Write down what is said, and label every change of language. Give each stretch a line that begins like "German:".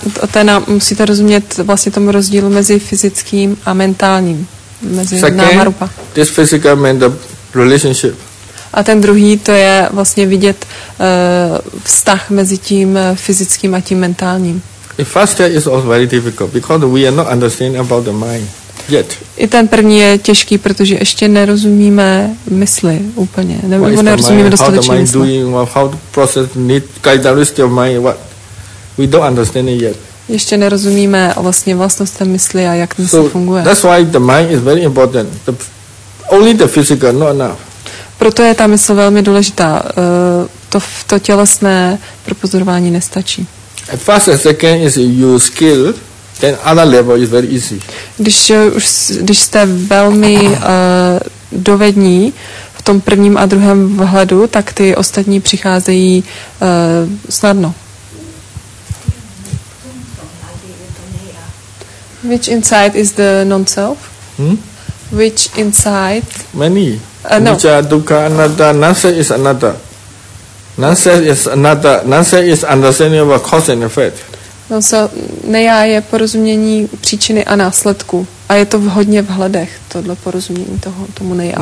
Czech: Tena musíte rozumět vlastně tomu rozdílu mezi fyzickým a mentálním. Mezi náma rupa.
English: This physical mental relationship.
Czech: A ten druhý, to je vlastně vidět vztah mezi tím fyzickým a tím mentálním.
English: The first step is also very difficult because we are not understanding about the mind yet.
Czech: I ten první je těžký, protože ještě nerozumíme mysli úplně. Nebo nerozumíme dostatečně mysli.
English: How the mind doing, how the process need characteristic of mind, what? We don't understand it yet.
Czech: Ještě nerozumíme vlastně vlastnost té mysli a jak to funguje.
English: That's why the mind is very important. Only the physical, not enough.
Czech: Proto je ta mysl velmi důležitá. To tělesné propozorování nestačí.
English: At first and second is your skill, then other level is very easy.
Czech: Když jste velmi dovední v tom prvním a druhém vhledu, tak ty ostatní přicházejí snadno.
English: Which inside is the non-self? Hmm? Which inside? Many. No. Nicca, dukkha, anatta, non-self is another. Non-self is another. Non-self is understanding of cause and effect.
Czech: Non-self, neya je porozumění příčiny a následku. A je to hodně v hledech, tohle porozumění toho, tomu neya.